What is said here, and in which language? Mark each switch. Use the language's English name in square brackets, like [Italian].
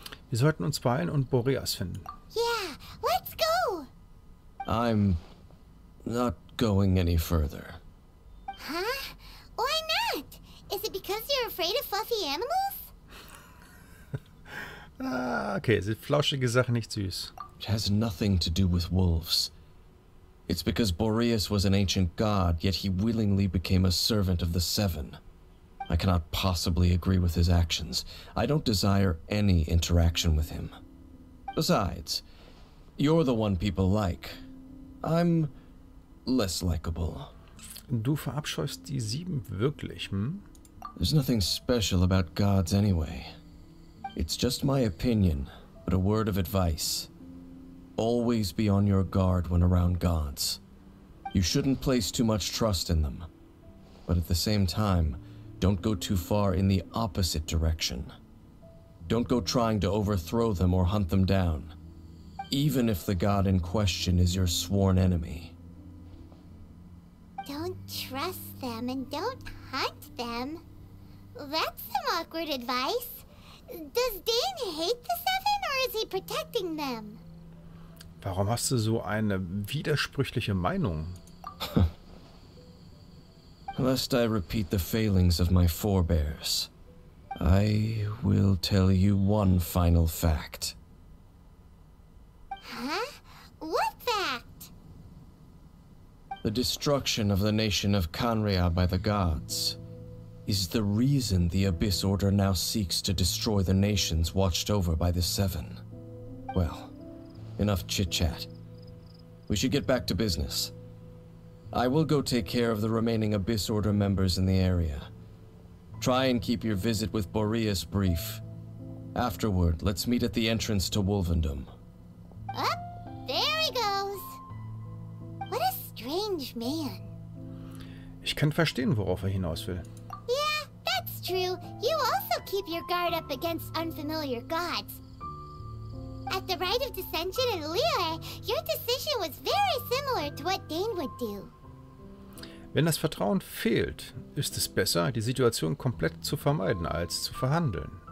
[German] Wir sollten uns beeilen und Boreas finden. [English] Yeah, let's go! I'm not going any further. Huh? Why not? Is it because you're afraid of fluffy animals? [German] Okay, sind flauschige Sachen nicht süß? [English] It has nothing to do with wolves. It's because Boreas was an ancient god, yet he willingly became a servant of the Seven. I cannot possibly agree with his actions. I don't desire any interaction with him. Besides, you're the one people like. I'm less likable. [German] Du verabscheust die Sieben wirklich, hm? [English] There's nothing special about gods anyway. It's just my opinion, but a word of advice. Always be on your guard when around gods. You shouldn't place too much trust in them. But at the same time, don't go too far in the opposite direction. Don't go trying to overthrow them or hunt them down, even if the god in question is your sworn enemy. Don't trust them and don't hunt them? That's some awkward advice. Does Dane hate the Seven or is he protecting them? [German] Warum hast du so eine widersprüchliche Meinung? [English] Lest I repeat the failings of my forebears, I will tell you one final fact. Huh? What fact? The destruction of the nation of Kanria by the gods is the reason the Abyss Order now seeks to destroy the nations watched over by the Seven. Well, enough chit-chat. We should get back to business. I will go take care of the remaining Abyss Order members in the area. Try and keep your visit with Boreas brief. Afterward, let's meet at the entrance to Wolvendom. Up, there he goes. What a strange man. [German] Ich kann verstehen, worauf er hinaus will. [English] Yeah, that's true. You also keep your guard up against unfamiliar gods. At the Rite of Dissension in Lille, your decision was very similar to what Dane would do. [German] Wenn das Vertrauen fehlt, ist es besser, die Situation komplett zu vermeiden, als zu verhandeln.